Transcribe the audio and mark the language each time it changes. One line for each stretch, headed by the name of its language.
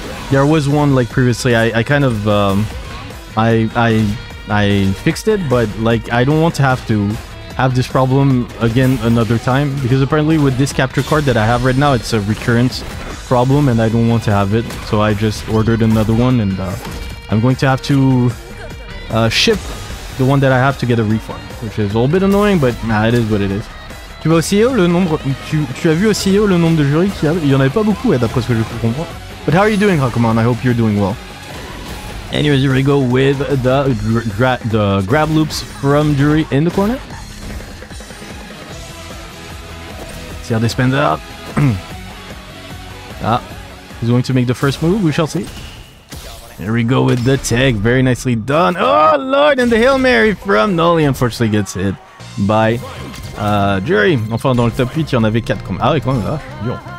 English: There was one like previously. I fixed it, but like I don't want to have to have this problem again another time, because apparently with this capture card that I have right now, it's a recurrent problem and I don't want to have it, so I just ordered another one, and I'm going to have to ship the one that I have to get a refund, which is a little bit annoying, but nah, it is what it is.
French: Tu vois aussi le nombre, tu as vu aussi le nombre de jurys qu'il y avait, il y en avait pas beaucoup, d'après ce que je peux comprendre.
English: But how are you doing, Rokka? I hope you're doing well. Anyways, here we go with the grab loops from Juri in the corner. See how they spend up. Ah, he's going to make the first move, we shall see. Here we go with the tag, very nicely done. Oh lord, and the Hail Mary from Noly unfortunately gets hit by Juri.
French: Enfin, dans le top 8, il y en avait 4 comme... Ah oui, quand même, ah, dur.